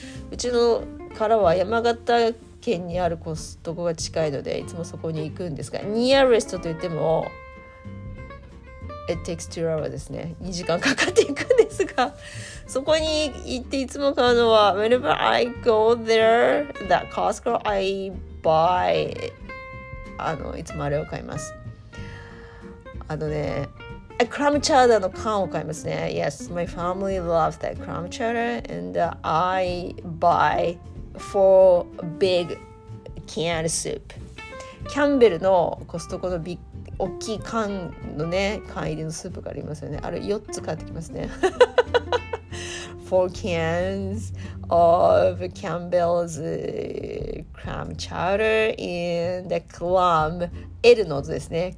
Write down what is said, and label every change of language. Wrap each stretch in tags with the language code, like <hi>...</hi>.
<ja>うちのからは山形県にあるコストコが近いのでいつもそこに行くんですが、</ja> <en>Nearest</en> <ja>と言っても</ja> <en>It takes 2 hours</en> <ja>ですね、2時間かかっていくんですが、そこに行っていつも買うのは、</ja> <en>Whenever I go there, that Costco, I buy</en> <ja>いつもあれを買います。あのね、クラムチャウダーの缶を買いますね。</ja> <en>Yes, my family loves that clam chowder and I buy four big canned soup.</en> <ja>キャンベルのコストコの大きい缶のね、缶入りのスープがありますよね。あれ4つ買ってきますね。</ja> <en>Four cans of Campbell's clam chowder and the clam L</en> <ja>の図ですね。</ja>